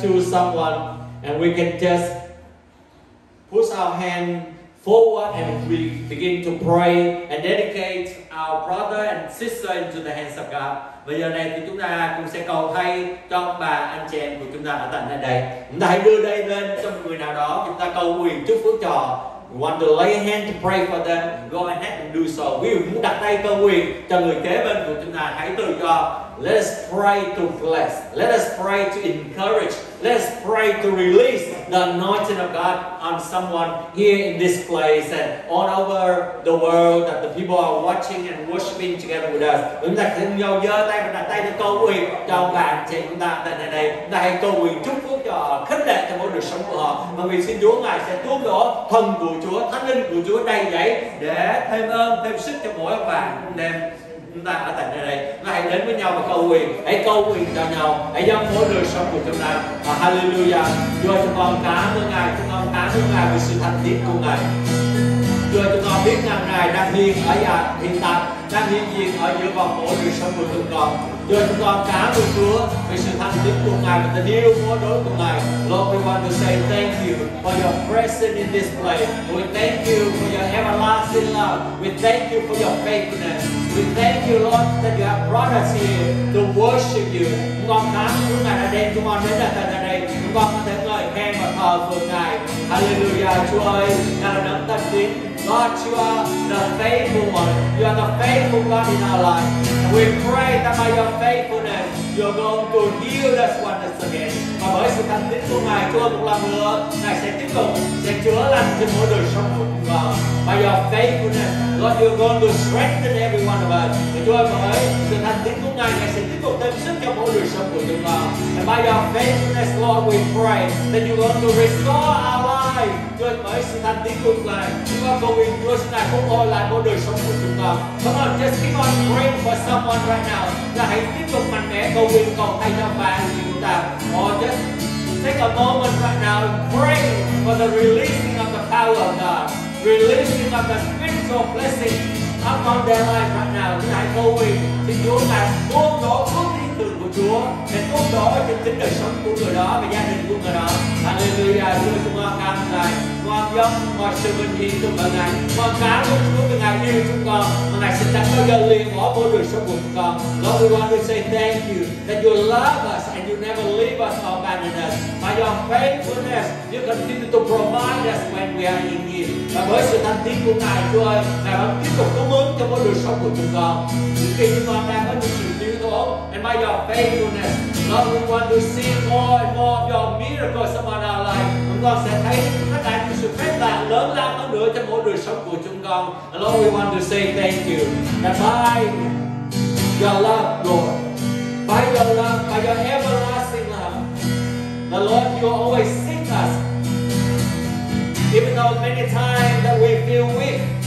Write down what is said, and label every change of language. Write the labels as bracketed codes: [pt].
[en] We can just push our hand forward and we begin to pray and dedicate our brother and sister into the hands of God. [vi] Và giờ này thì chúng ta cũng sẽ cầu thay cho ông bà anh chị em của chúng ta ở tận nơi đây. Chúng ta hãy đưa đây lên cho một người nào đó, chúng ta cầu nguyện chúc phước cho. [en] We want to lay a hand to pray for them. Go ahead and do so. We [vi] muốn đặt tay cầu nguyện cho người kế bên của chúng ta. Hãy tự do. [en] Let us pray to bless. Let us pray to encourage. Let us pray to release the anointing of God on someone here in this place and all over the world that the people are watching and worshiping together with us. [vi] Chúng ta cùng nhau giơ tay và đặt tay để cầu nguyện cho bạn trẻ chúng ta tại nơi đây. Chúng ta hãy cầu nguyện chúc phước cho họ, khích lệ cho mỗi đời sống của họ. Và nguyện xin Chúa Ngài sẽ tuôn đổ thần của Chúa, thánh linh của Chúa đầy dẫy để thêm ơn, thêm sức cho mỗi bạn anh em. Chúng ta ở tại nơi đây, chúng ta hãy đến với nhau và cầu nguyện, hãy cầu nguyện cho nhau, hãy dâng mỗi đời sống của chúng ta. Và hallelujah, Chúa cho con cảm ơn Ngài, chúng con cảm ơn Ngài vì sự thành tín của Ngài. Chúa cho con biết rằng Ngài đang hiện ở hiện tại, đang hiện diện ở giữa vòng mỗi đời sống của chúng con. Chúa cho con cảm ơn Chúa vì sự thành tín của Ngài và tình yêu vô đối của Ngài. [en] Lord, we want to say thank you for your presence in this place. We thank you for your everlasting love. We thank you for your faithfulness. We thank you, Lord, that you have brought us here to worship you. [vi] Chúng con cảm ơn Chúa Ngài đã đem chúng con đến đây tại đây. Chúng con có thể ngợi khen và thờ phượng Ngài. Hallelujah, Chúa ơi, Ngài là đấng thần tín. [en] God, you are the faithful one. You are the faithful God in our life. We pray that by your faithfulness, you're going to heal us once again. [vi] Và bởi sự thánh tín của Ngài, Chúa một lần nữa, Ngài sẽ tiếp tục, sẽ chữa lành cho mỗi đời sống của chúng con. [en] By your faithfulness, God, you're going to strengthen every one of us. [vi] Và Chúa bởi sự thánh tín của Ngài, Ngài sẽ tiếp tục thêm sức cho mỗi đời sống của chúng con. [en] And by your faithfulness, Lord, we pray that you're going to restore our lives. [vi] Chúa bởi sự thánh tín của Ngài, chúng con cầu nguyện Chúa sẽ cứu rỗi lại mỗi đời sống của chúng con. [en] Come on, just keep on praying for someone right now. [vi] Là hãy tiếp tục mạnh mẽ cầu nguyện cầu thay cho bạn của chúng ta. [en] Or just take a moment right now and pray for the releasing of the power of God, releasing of the spiritual blessing upon their life right now. [vi] Chúng ta hãy cầu nguyện xin Chúa ngài tuôn đổ phước thiên đường của Chúa để tuôn đổ trên chính đời sống của người đó và gia đình của người đó. Hallelujah, Chúa chúng con cảm ơn Ngài. Con dâng mọi sự vinh hiển cho bạn Ngài. Con cảm ơn Chúa vì Ngài yêu chúng con. Và Ngài xin chẳng bao giờ lìa bỏ mỗi đời sống của chúng con. [en] Lord, we want to say thank you that you love us and you never leave us or abandon us. By your faithfulness, you continue to provide us when we are in need. [vi] Và với sự thánh tín của Ngài, Chúa ơi, Ngài vẫn tiếp tục cung ứng cho mỗi đời sống của chúng con. Những khi chúng con đang có những sự thiếu thốn, [en] and by your faithfulness, Lord, we want to see more and more of your miracles upon our life. [vi] Chúng con sẽ thấy tất cả những sự phép lạ lớn lao hơn nữa trong mỗi đời sống của chúng con. [en] And Lord, we want to say thank you. And bye. your love, Lord. By your love, by your everlasting love, the Lord, you always seek us. Even though many times that we feel weak,